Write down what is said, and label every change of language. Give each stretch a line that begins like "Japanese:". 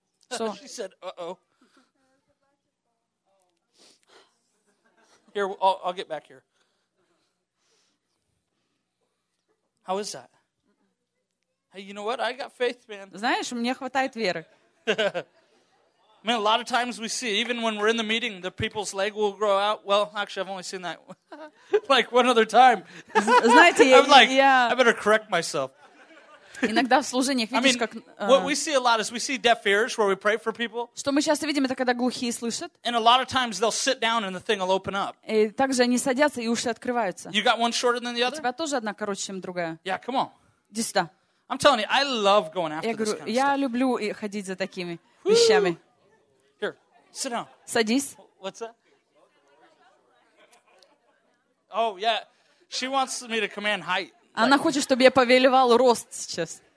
English: So. She said, uh-oh. Here, I'll get back here. How is that? Hey, you know what? I got faith, man.
Russian: Знаешь, мне хватает веры.
English: I mean, a lot of times we see, even when we're in the meeting, the people's leg will grow out. Well, actually, I've only seen that like one other time.
Russian: Знаете,
English: I'm like, I better correct myself.
Russian: Иногда в служениях видишь, как...
English: What we see a lot is we see deaf ears where we pray for people.
Russian: Что мы часто видим, это когда глухие слышат.
English: And a lot of times they'll sit down and the thing will open up.
Russian: И также они садятся, и уши открываются.
English: You got one shorter than the other?
Russian: У тебя тоже одна короче, чем другая.
English: Yeah, come on.
Russian: Иди сюда.
English: I'm telling you, I love going after this kind of stuff.
Russian: Я люблю ходить за такими вещами.
English: Here, sit down.
Russian: Садись.
English: What's that? Oh, yeah. She wants me to command height.
Russian: Она хочет, чтобы я повелевал рост сейчас.